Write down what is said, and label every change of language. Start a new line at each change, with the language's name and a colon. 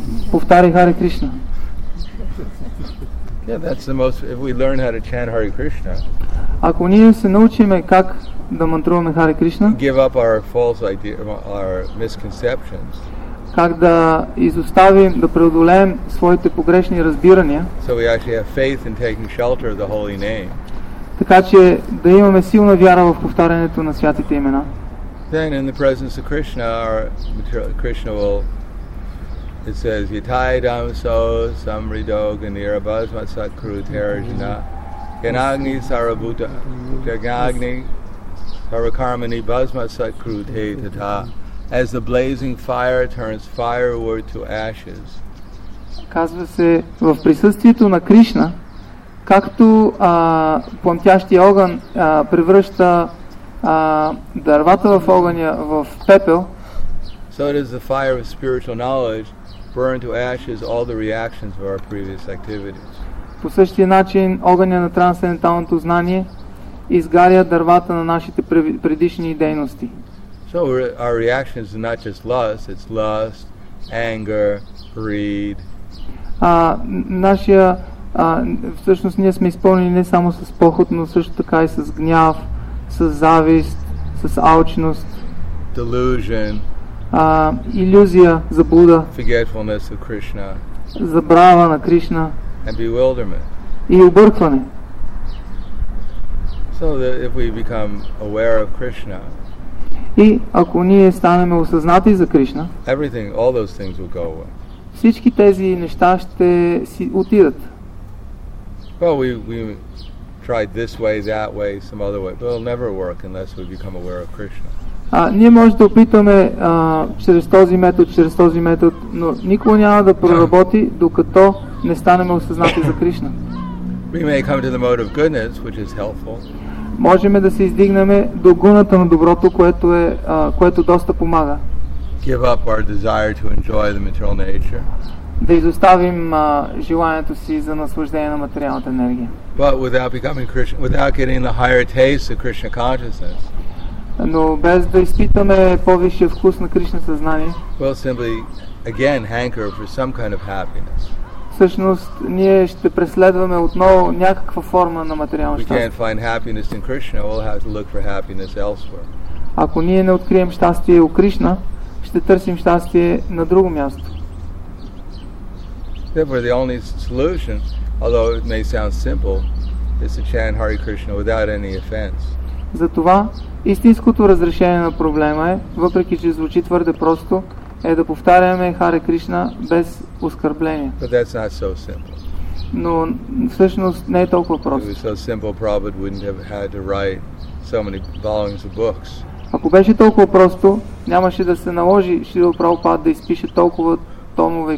Bulgarian: Повтаряй Hare Krishna.
English: Yeah, that's the most, if we learn how to chant Hare Krishna.
Bulgarian: Ако ние се научим как да мантруваме Hare Krishna.
English: Give up our false idea, our misconceptions.
Bulgarian: Как да изоставим, да преодолеем своите погрешни разбирания.
English: So we actually have faith in taking shelter of the holy name.
Bulgarian: Така че да имаме силна вяра в повтарянето на святите имена.
English: Then in the presence of Krishna, Krishna will, it says,
Sanskrit: Yatai damso samrido ganira bhasmat sakru terajana ganagni sarabhuta jagagni sarakarmani bhasmat sakru te tata.
English: As the blazing fire turns firewood to ashes.
Bulgarian: Казва се в присъствието на Кришна, както плъмтящия огън превръща дървата в огъня в пепел.
English: So does the fire of spiritual knowledge burn to ashes all the reactions of our previous activities.
Bulgarian: По същия начин огъня на трансценденталното знание изгаря дървата на нашите предишни дейности.
English: So our reactions are not just lust, it's lust, anger, greed.
Bulgarian: Нашия всъщност ние сме изпълнени не само с похот, но също така и с гняв, с завист, с алчност.
English: Delusion.
Bulgarian: Илюзия, заблуда.
English: Forgetfulness of Krishna.
Bulgarian: Забрава на Кришна.
English: And bewilderment.
Bulgarian: И объркване.
English: So that if we become aware of Krishna,
Bulgarian: и ако ние станем осъзнати за Кришна,
English: everything, all those things will go away.
Bulgarian: Всички тези неща ще си отидат.
English: Well, we tried this way, that way, some other way, but it'll never work unless we become aware of Krishna.
Bulgarian: Ние може да опитаме чрез този метод, чрез този метод, но никога няма да проработи, докато не станем осъзнати за Кришна.
English: We may come to the mode of goodness, which is helpful.
Bulgarian: Можем да се издигнем до гуната на доброто, което е, което доста помага.
English: Give up our desire to enjoy the material nature.
Bulgarian: Да изоставим желанието си за наслаждение на материалната енергия.
English: But without becoming Krishna, without getting the higher taste of Krishna consciousness.
Bulgarian: Но без да изпитаме по-висшия вкус на Кришна съзнание.
English: We'll simply again hanker for some kind of happiness.
Bulgarian: Всъщност, ние ще преследваме отново някаква форма на материално щастие.
English: We can't find happiness in Krishna, we'll have to look for happiness elsewhere.
Bulgarian: Ако ние не открием щастие у Кришна, ще търсим щастие на друго място.
English: Therefore, the only solution, although it may sound simple, is to chant Hare Krishna without any offense.
Bulgarian: Затова истинското разрешение на проблема е, въпреки че звучи твърде просто, е да повтаряме Харе Кришна без оскърбление.
English: But that's not so simple.
Bulgarian: Но всъщност не е толкова просто.
English: If it was so simple, Prabhupada wouldn't have had to write so many volumes of books.
Bulgarian: Ако беше толкова просто, нямаше да се наложи Шрила Прабхупада да изпише толкова томове,